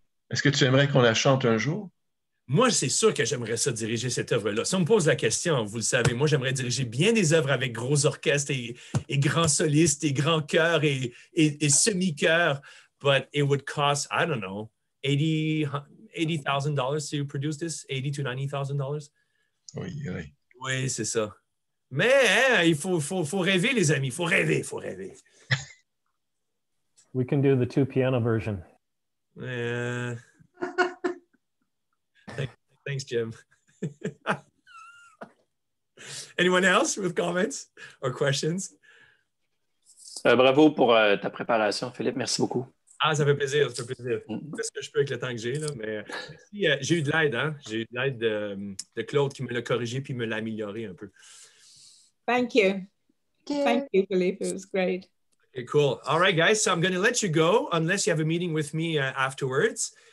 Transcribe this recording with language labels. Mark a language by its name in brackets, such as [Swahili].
[French] Est-ce que tu aimerais qu'on la chante un jour? Moi, c'est sûr que j'aimerais ça diriger cette œuvre-là. Si on me pose la question, vous le savez, moi, j'aimerais diriger bien des œuvres avec gros orchestres et grands solistes et grands chœurs et semi-chœurs. [English] But it would cost, I don't know, $80,000 to produce this, $80,000 to $90,000. [French] Oui, c'est ça. Mais hein, il faut rêver, les amis. Faut rêver. [English] We can do the two piano version. Thanks, Jim. Anyone else with comments or questions? [French] Bravo pour ta préparation, Philippe. Merci beaucoup. Ah, ça fait plaisir, ça fait plaisir. Fais ce que je peux avec le temps que j'ai, là, mais merci, j'ai eu de l'aide, hein? J'ai eu de l'aide de Claude qui me l'a corrigé puis me l'a amélioré un peu. [English] Thank you. Thank you, Philippe. It was great. Okay, cool. All right, guys, so I'm going to let you go unless you have a meeting with me afterwards.